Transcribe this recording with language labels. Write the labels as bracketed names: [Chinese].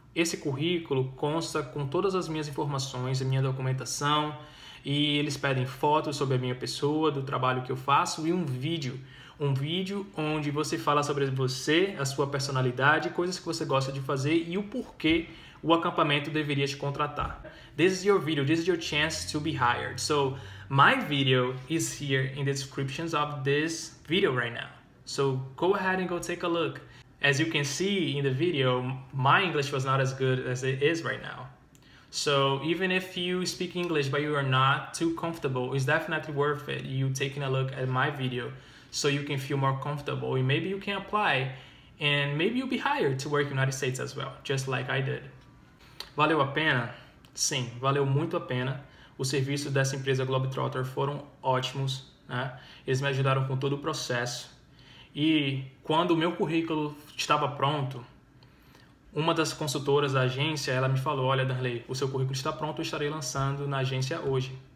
[Portuguese] Esse currículo consta com todas as minhas informações e minha documentação, e eles pedem fotos sobre a minha pessoa, do trabalho que eu faço e um vídeo. Um vídeo onde você fala sobre você, a sua personalidade, coisas que você gosta de fazer e o porquê o acampamento deveria te contratar. [English] This is your video. This is your chance to be hired. So, my video is here in the descriptions of this video right now. So, go ahead and go take a look. As you can see in the video, my English was not as good as it is right now. So, even if you speak English but you are not too comfortable, it's definitely worth it you taking a look at my video. So you can feel more comfortable, and maybe you can apply, and maybe you'll be hired to work in the United States as well, just like I did. [Portuguese] Valeu a pena? Sim, valeu muito a pena. Os serviços dessa empresa Globetrotter foram ótimos, né? Eles me ajudaram com todo o processo. E quando o meu currículo estava pronto, uma das consultoras da agência, ela me falou: "Olha, Darley, o seu currículo está pronto, eu estarei lançando na agência hoje."